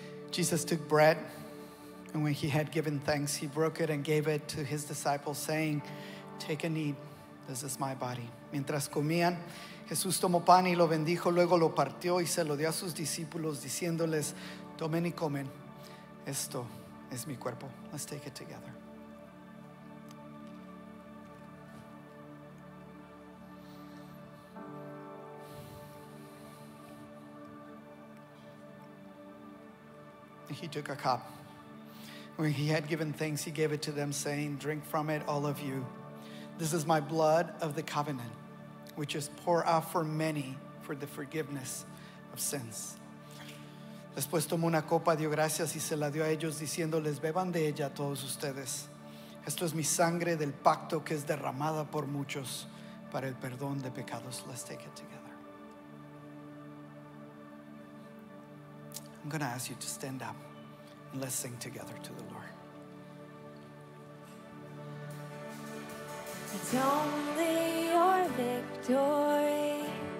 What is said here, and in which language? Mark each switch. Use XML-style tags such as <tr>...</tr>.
<en>Jesus took bread, and when he had given thanks, he broke it and gave it to his disciples, saying, "Take and eat, this is my body."</en> <es>Mientras comían, Jesús tomó pan y lo bendijo, luego lo partió y se lo dio a sus discípulos, diciéndoles, "Tomen y comen, esto es mi cuerpo."</es> <en>Let's take it together. He took a cup. When he had given thanks, he gave it to them, saying, "Drink from it, all of you. This is my blood of the covenant, which is poured out for many for the forgiveness of sins."</en> <es>Después tomó una copa, dio gracias y se la dio a ellos, diciéndoles, "Beban de ella todos ustedes. Esto es mi sangre del pacto que es derramada por muchos para el perdón de pecados."</es> <en>Let's take it together. I'm going to ask you to stand up and let's sing together to the Lord. It's only your victory.</en>